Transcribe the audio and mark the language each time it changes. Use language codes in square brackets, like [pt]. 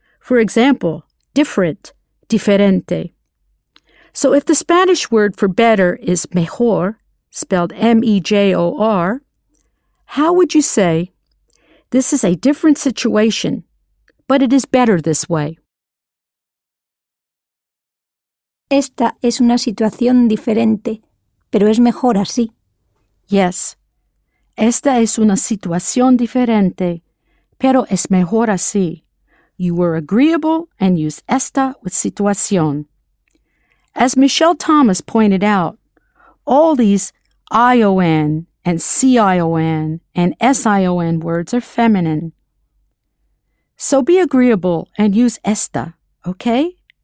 [en] For example, different, diferente. So if the Spanish word for better is mejor, spelled M-E-J-O-R, how would you say, this is a different situation, but it is better this way? [es] Esta es una situación diferente, pero es mejor así. [en] Yes. [es] Esta es una situación diferente, pero es mejor así. [en] You were agreeable and used esta with situación. As Michelle Thomas pointed out, all these ION and CION and SION words are feminine. So be agreeable and use esta, okay?